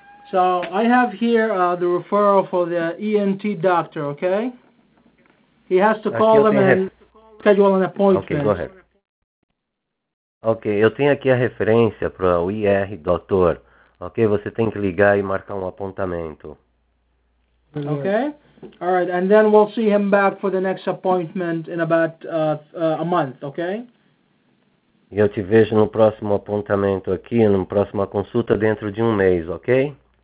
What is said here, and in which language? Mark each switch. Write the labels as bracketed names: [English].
[English] So I have here the referral for the ENT doctor, okay? He has to call them and schedule an appointment. Okay, go ahead. [Portuguese] Ok, eu tenho aqui a referência para o IR doutor, ok? Você tem que ligar e marcar um apontamento. [English] Ok, all right, and then we'll see him back for the next appointment in about a month, ok? [Portuguese] E eu te vejo no próximo apontamento aqui, na próxima consulta dentro de um mês, ok?